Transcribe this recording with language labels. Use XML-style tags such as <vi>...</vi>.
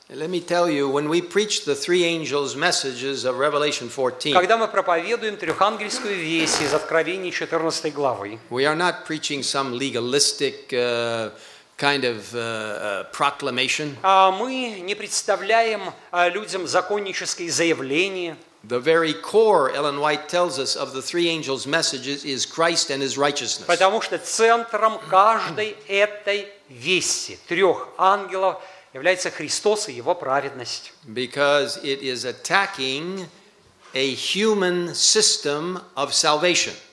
<en>Let me tell you, when we preach the three angels' messages of Revelation 14,</en> <ru>когда мы проповедуем трехангельскую весть из Откровения 14 главы,</ru> <en>we are not preaching some legalistic proclamation.</en> <ru>Мы не представляем людям законнические заявления.</ru> <en>The very core, Ellen White tells us, of the three angels' messages is Christ and His righteousness.</en> <ru>Потому что центром каждой этой вести трех ангелов является Христос и Его праведность.</ru> <en>Because it is attacking a human system of salvation.</en>